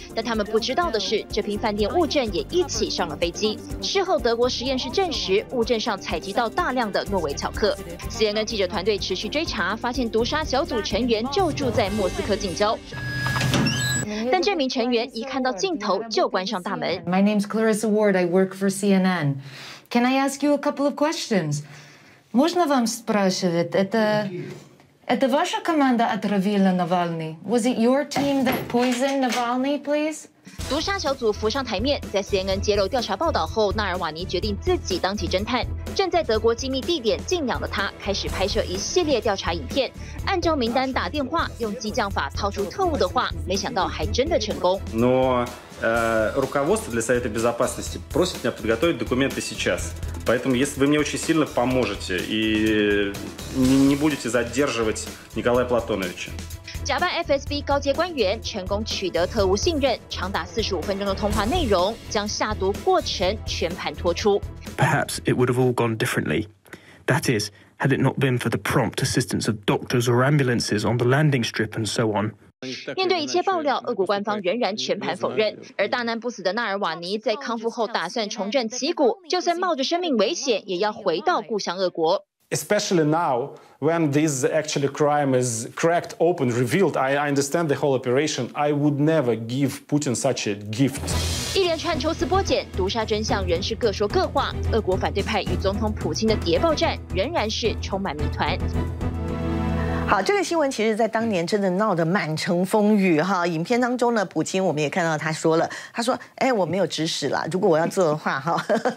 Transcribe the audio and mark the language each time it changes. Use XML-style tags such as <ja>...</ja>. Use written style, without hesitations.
<zh>但他们不知道的是，这批饭店物证也一起上了飞机。事后，德国实验室证实物证上采集到大量的诺维巧克。 CNN 记者团队持续追查，发现毒杀小组成员就住在莫斯科近郊。但这名成员一看到镜头就关上大门。</zh> <en>My name's Clarissa Ward. I work for CNN. Can I ask you a couple of questions?</en> <ru>Можно вам спрашивать? Это ваша команда отравила Навальный?</ru> <en>Was it your team that poisoned Навальный, please?</en> <zh>毒杀小组浮上台面，在 CNN 揭露调查报道后，纳尔瓦尼决定自己当起侦探。正在德国机密地点静养的他，开始拍摄一系列调查影片，按照名单打电话，用激将法套出特务的话，没想到还真的成功。</zh> <ru>Но руководство для Совета Безопасности просит меня подготовить документы сейчас, поэтому если вы мне очень сильно поможете и не будете задерживать Николая Платоновича.</ru> <zh>假扮 FSB 高阶官员，成功取得特务信任。长达45分钟的通话内容，将下毒过程全盘托出。</zh> <en>Perhaps it would have all gone differently. That is, had it not been for the prompt assistance of doctors or ambulances on the landing strip and so on.</en> <zh>面对一切爆料，俄国官方仍然全盘否认。而大难不死的纳尔瓦尼在康复后打算重振旗鼓，就算冒着生命危险，也要回到故乡俄国。</zh> <en>Especially now, when this actually crime is cracked open, revealed, I understand the whole operation. I would never give Putin such a gift.</en> <zh>一连串抽丝剥茧，毒杀真相仍是各说各话。俄国反对派与总统普京的谍报战仍然是充满谜团。好，这个新闻其实在当年真的闹得满城风雨哈。影片当中呢，普京我们也看到他说了，他说：“哎，我没有指使啦，如果我要做的话哈。”</zh>